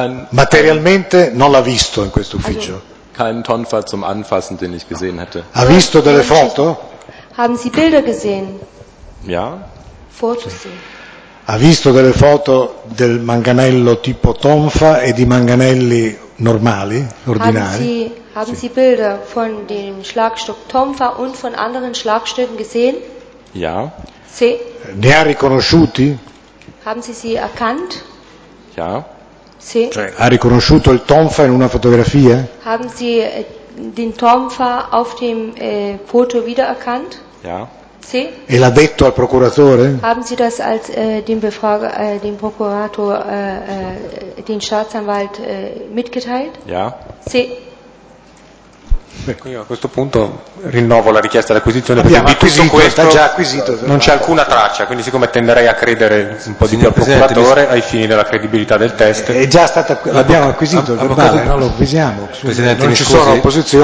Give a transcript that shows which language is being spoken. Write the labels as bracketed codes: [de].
[it] Materialmente non l'ha visto in questo ufficio. [de] Keinen Tonfa zum Anfassen, den ich gesehen hätte. [it] Ha visto delle foto? [de] Haben Sie Bilder gesehen? Ja. Fotos. [it] Ha visto delle foto del manganello tipo tonfa e di manganelli normali, ordinari? [de] Haben Sie Bilder von dem Schlagstock Tonfa und von anderen Schlagstücken gesehen? Ja. [it] Sì. Ne ha riconosciuti? [de] Haben Sie sie erkannt? Ja. [it] Sì. Ha riconosciuto il tonfa in una fotografia? [de] Haben Sie den Tonfa auf dem Foto wiedererkannt? Ja. [it] Sì. E l'ha detto al procuratore? [de] Haben Sie das als dem Prokurator den Staatsanwalt mitgeteilt? Ja. [it] Sì. Io a questo punto rinnovo la richiesta d'acquisizione. Abbiamo di tutto questo già acquisito, non c'è alcuna traccia, quindi siccome tenderei a credere un po' di più al procuratore ai fini della credibilità del test, è già stata, l'abbiamo acquisito il verbale, non lo visiamo. Presidente, non ci sono opposizioni.